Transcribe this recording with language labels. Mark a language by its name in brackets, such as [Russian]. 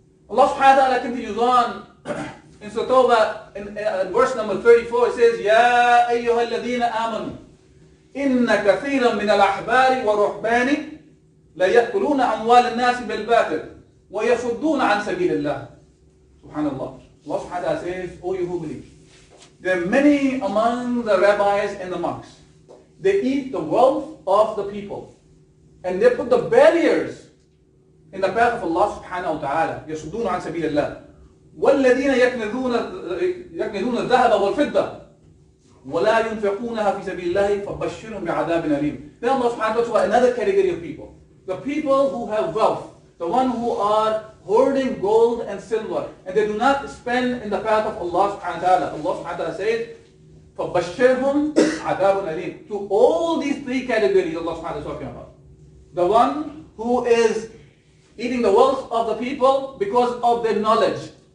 [English] Allah subhanahu wa ta'ala continues on, in Surah Tawbah, in verse number 34, it says, [Arabic] Ya ayyuha alladhina amanu, inna kathiran min al-ahbari wa ruhbani, لَيَأْكُلُونَ أَمْوَالَ النَّاسِ بِالْبَاطِلِ وَيَصُدُّونَ عَنْ سَبِيلِ اللَّهِ [English] Subhanallah. Allah subhanahu wa ta'ala says, O you who believe, there are many among the rabbis and the monks. They eat the wealth of the people. And they put the barriers in the path of Allah subhanahu wa ta'ala. [Arabic] يَصُدُّونَ عَنْ سَبِيلِ اللَّهِ وَالَّذِينَ يَكْنِذُونَ الذَّهَبَ وَالْفِدَّةِ وَلَا يُنْفِقُونَهَا فِي سَبِيلِ اللَّهِ فَبَشِّرْهُمْ بِعَذَابٍ أَلِيمٍ [English] Then Allah subhanahu wa ta'ala says another category of people. The people who have wealth, the one who are hoarding gold and silver, and they do not spend in the path of Allah subhanahu wa ta'ala. Allah subhanahu wa ta'ala says, [Arabic] فَبَشِّرْهُمْ عَذَابٌ أَلِيمٌ [English] To all these three categories Allah subhanahu wa ta'ala is talking about. The one who is eating the wealth of the people because of their knowledge.